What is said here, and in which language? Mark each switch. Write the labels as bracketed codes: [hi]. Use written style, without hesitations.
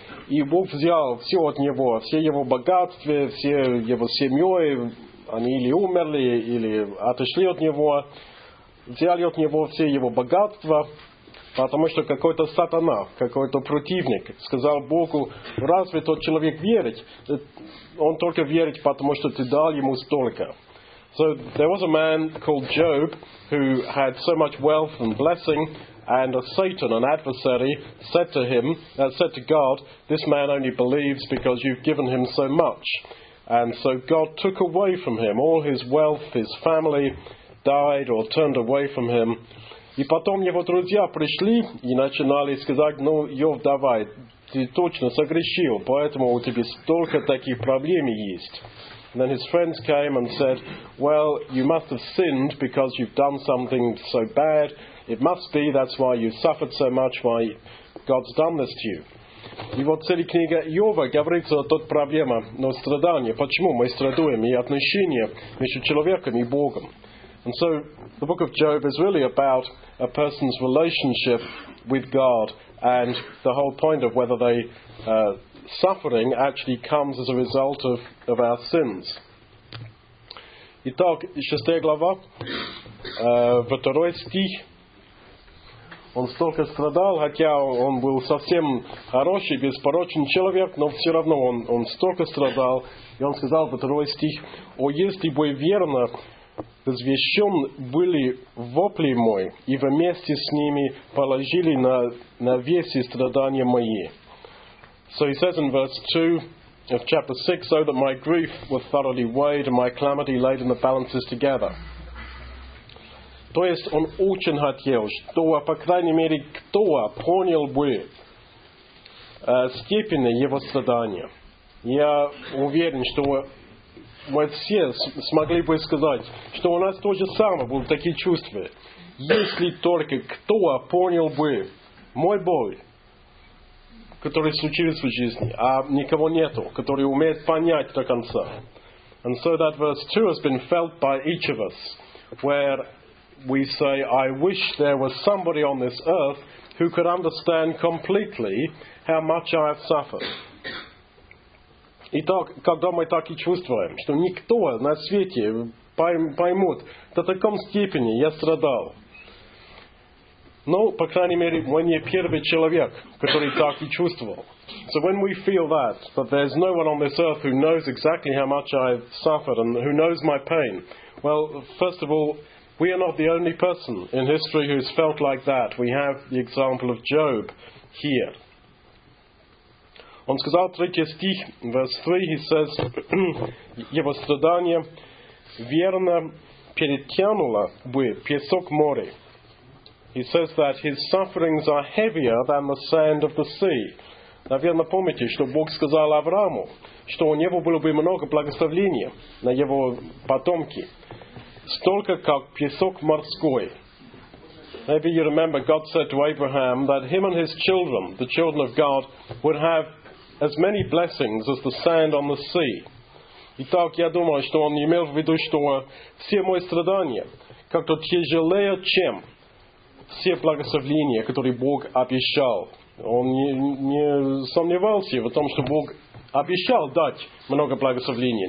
[ru] И Бог взял все от него, все его богатства, все его семьи, они или умерли, или отошли от него, взяли от него все его богатства, потому что какой-то сатана, какой-то противник сказал Богу, разве тот человек верит? Он только верит, потому что ты дал ему столько. [en] So there was a man called Job who had so much wealth and blessing, and a Satan, an adversary, said to him, said to God, this man only believes because you've given him so much. And so God took away from him all his wealth, his family died or turned away from him. [ru] И потом его друзья пришли и начинали сказать, ну, Йов, давай, ты точно согрешил, поэтому у тебя столько таких проблем есть. [en] And then his friends came and said, well, you must have sinned because you've done something so bad. It must be, that's why you suffered so much, why God's done this to you. [ru] И вот целая книга Иова говорится о той проблеме, но страдание. Почему мы страдаем? И отношения между человеком и Богом. [en] And so the book of Job is really about a person's relationship with God, and the whole point of whether they suffering actually comes as a result of our sins. [ru] Итак, 6 глава, 2 стих. Он столько страдал, хотя он был совсем хороший, беспорочный человек, но все равно он столько страдал. И он сказал, 2 стих, «О, если бы верно возвещен были вопли мой, и вместе с ними положили на весе страдания мои». [en] So he says in verse 2 of chapter 6, so that my grief was thoroughly weighed and my calamity laid in the balances together. [ru] То есть он очень хотел, что, по крайней мере, кто понял бы степени его страдания. Я уверен, что мы все смогли бы сказать, что у нас то же самое были такие чувства. Если только кто понял бы мой боль, которые случились в жизни, а никого нету, который умеет понять до конца. [en] And so that verse 2 has been felt by each of us, where we say, I wish there was somebody on this earth who could understand completely how much I have suffered. [ru] Итак, когда мы так и чувствуем, что никто на свете поймет, до такой степени я страдал. Но, по крайней мере, мы не первый человек, который так и чувствовал. [en] So when we feel that there's no one on this earth who knows exactly how much I've suffered and who knows my pain, well, first of all, we are not the only person in history who's felt like that. We have the example of Job here. [ru] Он сказал, 3 стих, [en] verse 3, he says, [ru] его страдание верно перетянуло бы песок море. [en] He says that his sufferings are heavier than the sand of the sea. [ru] Наверное, помните, что Бог сказал Аврааму, что у него было бы много благословения на его потомки, столько, как песок морской. [en] Maybe you remember God said to Abraham that him and his children, the children of God, would have as many blessings as the sand on the sea. [ru] Итак, я думаю, что он имел в виду, что все мои страдания как-то тяжелее, чем все благословения, которые Бог обещал. Он не сомневался в том, что Бог обещал дать много благословений.